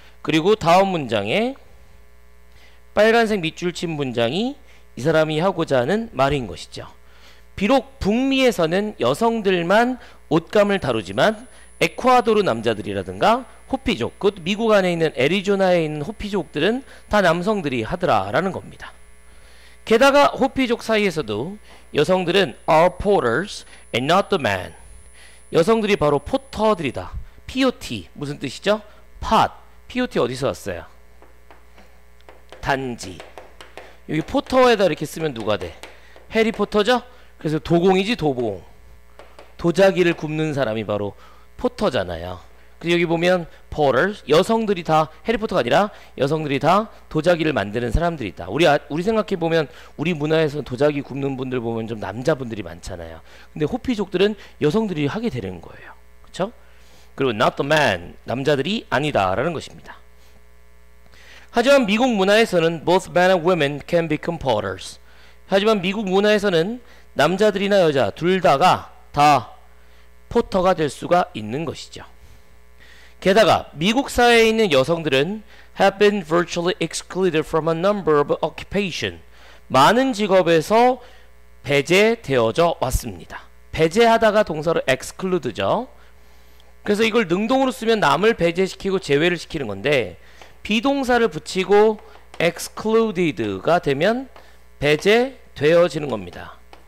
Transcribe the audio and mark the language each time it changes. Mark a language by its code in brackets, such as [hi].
[ko] 그리고 다음 문장에, 빨간색 밑줄 친 문장이 이 사람이 하고자 하는 말인 것이죠. 비록 북미에서는 여성들만 옷감을 다루지만 에콰도르 남자들이라든가 호피족, 곧 미국 안에 있는 애리조나에 있는 호피족들은 다 남성들이 하더라라는 겁니다. 게다가 호피족 사이에서도 여성들은 [en] are porters and not the man. [ko] 여성들이 바로 포터들이다. POT 무슨 뜻이죠? POT. POT 어디서 왔어요? 단지. 여기 포터에다 이렇게 쓰면 누가 돼? 해리포터죠? 그래서 도공이지 도봉. 도자기를 굽는 사람이 바로 포터잖아요. 그리고 여기 보면 포터, 여성들이 다 해리포터가 아니라 여성들이 다 도자기를 만드는 사람들이 있다. 우리 생각해 보면 우리 문화에서 도자기 굽는 분들 보면 좀 남자분들이 많잖아요. 근데 호피족들은 여성들이 하게 되는 거예요. 그렇죠? 그리고 [en] not the man, [ko] 남자들이 아니다라는 것입니다. 하지만 미국 문화에서는 [en] both men and women can become porters. [ko] 하지만 미국 문화에서는 남자들이나 여자 둘 다가 다 포터가 될 수가 있는 것이죠. 게다가 미국 사회에 있는 여성들은 [en] have been virtually excluded from a number of occupations. [ko] 많은 직업에서 배제되어져 왔습니다. 배제하다가 동사로 exclude죠. 그래서 이걸 능동으로 쓰면 남을 배제시키고 제외를 시키는 건데 비동사를 붙이고 excluded가 되면 배제되어지는 겁니다.